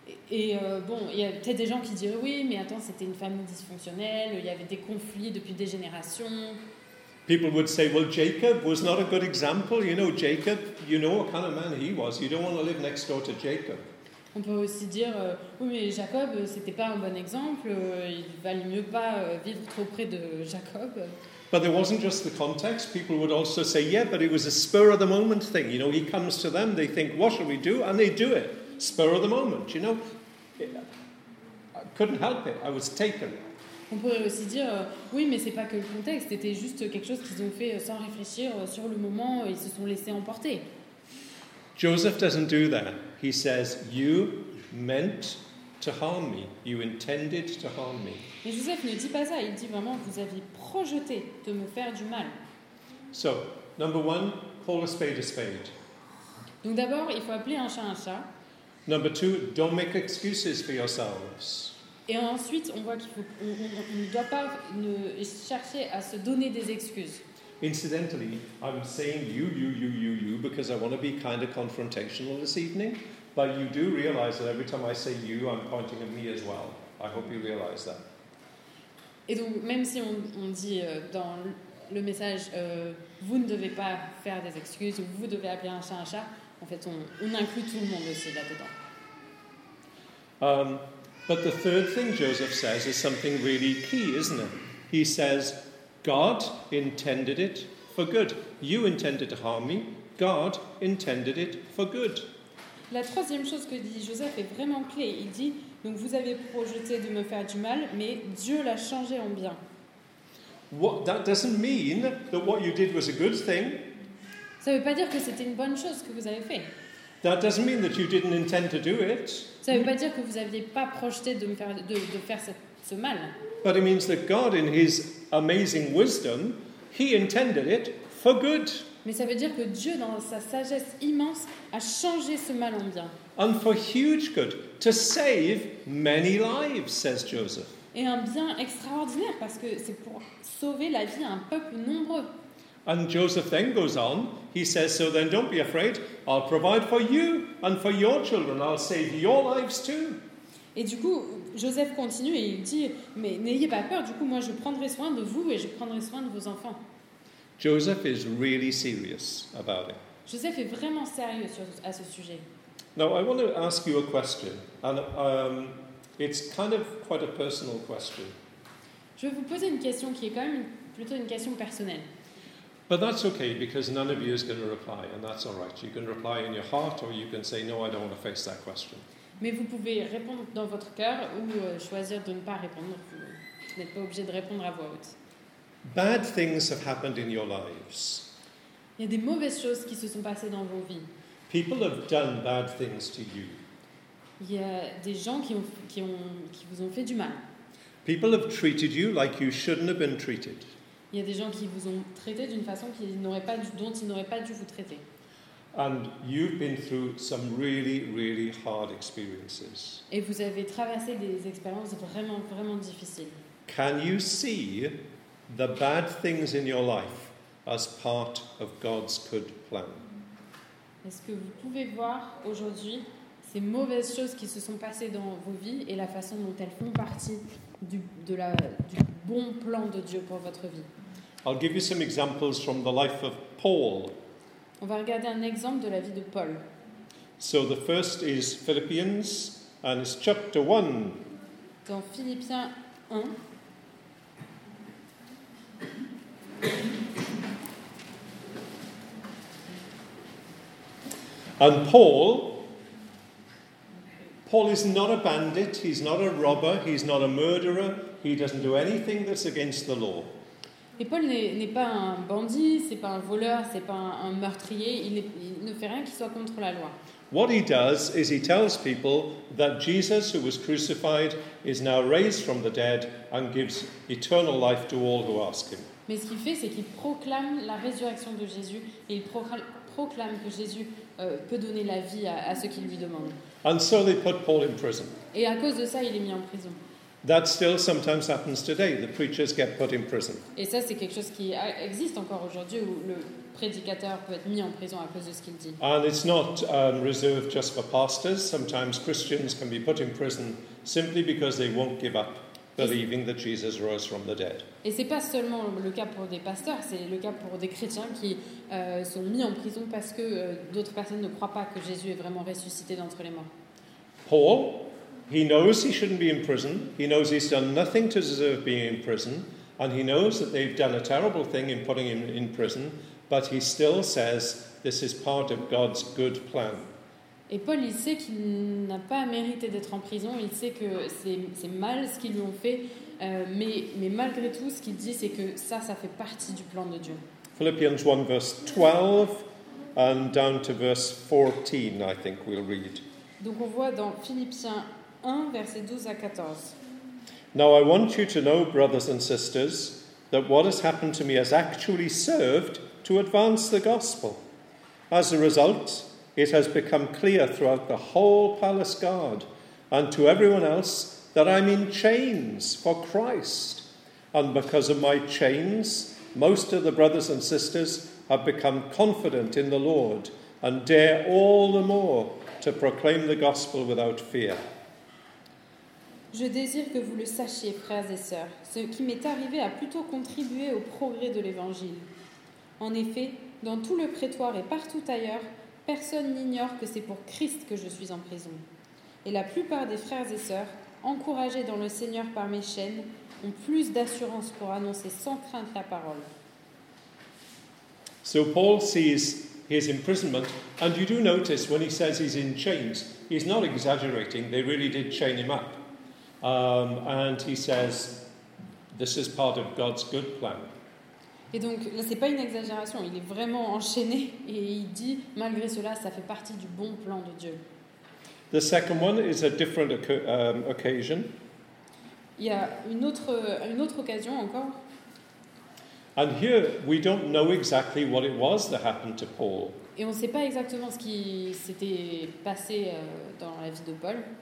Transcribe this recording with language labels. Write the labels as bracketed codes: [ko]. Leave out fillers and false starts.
[fr] Et bon, il y a peut-être des gens qui diraient oui, mais attends, c'était une famille dysfonctionnelle, il y avait des conflits depuis des générations. [en] People would say, well, Jacob was not a good example. You know, Jacob, you know what kind of man he was. You don't want to live next door to Jacob. [fr] On peut aussi dire, oui, mais Jacob, c'était pas un bon exemple. Il valait mieux pas vivre trop près de Jacob. [en] But there wasn't just the context. People would also say, yeah, but it was a spur of the moment thing. You know, he comes to them, they think, what should we do? And they do it. Spur of the moment, you know. I couldn't help it. I was taken. [fr] On pourrait aussi dire, oui, mais c'est pas que le contexte. C'était juste quelque chose qu'ils ont fait sans réfléchir sur le moment. Ils se sont laissés emporter. [en] Joseph doesn't do that. He says, you meant to harm me. You intended to harm me. [fr] Mais Joseph ne dit pas ça. Il dit vraiment, vous aviez projeté de me faire du mal. [en] So, number one, call a spade a spade. [fr] Donc d'abord, il faut appeler un chat un chat. [en] Number two, don't make excuses for yourselves. [fr] Et ensuite, on voit qu'il faut, on ne doit pas ne chercher à se donner des excuses. [en] Incidentally, I'm saying you, because I want to be kind of confrontational this evening. But you do realize that every time I say you, I'm pointing at me as well. I hope you realize that. [fr] Et donc, même si on dit dans le message, vous ne devez pas faire des excuses, vous devez appeler un chat, en fait, on inclut tout le monde aussi là-dedans. [en] But the third thing Joseph says is something really key, isn't it? He says, God intended it for good. You intended to harm me, God intended it for good. [fr] La troisième chose que dit Joseph est vraiment clé. Il dit, donc vous avez projeté de me faire du mal, mais Dieu l'a changé en bien. [en] What, that doesn't mean that what you did was a good thing. [fr] Ça ne veut pas dire que c'était une bonne chose que vous avez fait. [en] That doesn't mean that you didn't intend to do it. [fr] Ça veut pas dire que vous aviez pas projeté de me faire de faire ce mal. [en] But it means that God, in His amazing wisdom, He intended it for good. [fr] Mais ça veut dire que Dieu, dans sa sagesse immense, a changé ce mal en bien. [en] And for huge good, to save many lives, says Joseph. [fr] Et un bien extraordinaire parce que c'est pour sauver la vie d'un peuple nombreux. [en] And Joseph then goes on, he says, so then don't be afraid, I'll provide for you and for your children, I'll save your lives too. [fr] Et du coup, Joseph continue et il dit, mais n'ayez pas peur, du coup moi je prendrai soin de vous et je prendrai soin de vos enfants. [en] Joseph is really serious about it. [fr] Joseph est vraiment sérieux à ce sujet. [en] Now I want to ask you a question, and it's kind of quite a personal question. [fr] Je vais vous poser une question qui est quand même plutôt une question personnelle. [en] But that's okay, because none of you is going to reply, and that's all right. You can reply in your heart, or you can say, no, I don't want to face that question. [fr] Mais vous pouvez répondre dans votre cœur, ou choisir de ne pas répondre. Vous n'êtes pas obligé de répondre à voix haute. [en] Bad things have happened in your lives. [fr] Il y a des mauvaises choses qui se sont passées dans vos vies. [en] People have done bad things to you. [fr] Il y a des gens qui vous ont fait du mal. [en] People have treated you like you shouldn't have been treated. [fr] Il y a des gens qui vous ont traité d'une façon dont ils n'auraient pas dû vous traiter. [en] And you've been through some really, really hard experiences. [fr] Et vous avez traversé des expériences vraiment, vraiment difficiles. [en] Can you see the bad things in your life as part of God's good plan? [fr] Est-ce que vous pouvez voir aujourd'hui ces mauvaises choses qui se sont passées dans vos vies et la façon dont elles font partie du bon plan de Dieu pour votre vie? [en] I'll give you some examples from the life of Paul. [fr] On va regarder un exemple de la vie de Paul. [en] So the first is Philippians, and it's chapter 1. [fr] Dans Philippiens 1. [en] And Paul is not a bandit, he's not a robber, he's not a murderer, he doesn't do anything that's against the law. [fr] Et Paul n'est pas un bandit, c'est pas un voleur, c'est pas un meurtrier, il ne fait rien qui soit contre la loi. [en] What he does is he tells people that Jesus, who was crucified, is now raised from the dead and gives eternal life to all who ask him. [fr] Mais ce qu'il fait, c'est qu'il proclame la résurrection de Jésus et il proclame que Jésus peut donner la vie à ceux qui lui demandent. [en] And so they put Paul in prison. [fr] Et à cause de ça, il est mis en prison. [en] That still sometimes happens today. The preachers get put in prison. [fr] Et ça, c'est quelque chose qui existe encore aujourd'hui où le prédicateur peut être mis en prison à cause de ce qu'il dit. [en] And it's not reserved just for pastors. Sometimes Christians can be put in prison simply because they won't give up believing that Jesus rose from the dead. [fr] Et c'est pas seulement le cas pour des pasteurs, c'est le cas pour des chrétiens qui sont mis en prison parce que d'autres personnes ne croient pas que Jésus est vraiment ressuscité d'entre les morts. [en] Paul, he knows he shouldn't be in prison. He knows he's done nothing to deserve being in prison, and he knows that they've done a terrible thing in putting him in prison, but he still says this is part of God's good plan. [fr] Et Paul, il sait qu'il n'a pas mérité d'être en prison. Il sait que c'est mal ce qu'ils lui ont fait. Mais malgré tout, ce qu'il dit, c'est que ça fait partie du plan de Dieu. [en] Philippiens 1, verse 12, and down to verse 14, I think we'll read. [fr] Donc on voit dans Philippiens 1, verset 12 à 14. [en] Now I want you to know, brothers and sisters, that what has happened to me has actually served to advance the gospel. As a result, it has become clear throughout the whole palace guard and to everyone else that I'm in chains for Christ. And because of my chains, most of the brothers and sisters have become confident in the Lord and dare all the more to proclaim the gospel without fear. [fr] Je désire que vous le sachiez, frères et sœurs, ce qui m'est arrivé a plutôt contribué au progrès de l'évangile. En effet, dans tout le prétoire et partout ailleurs, personne n'ignore que c'est pour Christ que je suis en prison. Et la plupart des frères et sœurs, encouragés dans le Seigneur par mes chaînes, ont plus d'assurance pour annoncer sans crainte la parole. [en] So Paul sees his imprisonment, and you do notice when he says he's in chains, he's not exaggerating, they really did chain him up. And he says, this is part of God's good plan. [fr] Et donc, là, ce n'est pas une exagération. Il est vraiment enchaîné et il dit, malgré cela, ça fait partie du bon plan de Dieu. [en] The second one is a different occasion. [fr] Il y a une autre occasion encore. [en] And here, we don't know exactly what it was that happened to Paul. [fr] Et on ne sait pas exactement ce qui s'était passé dans la vie de Paul.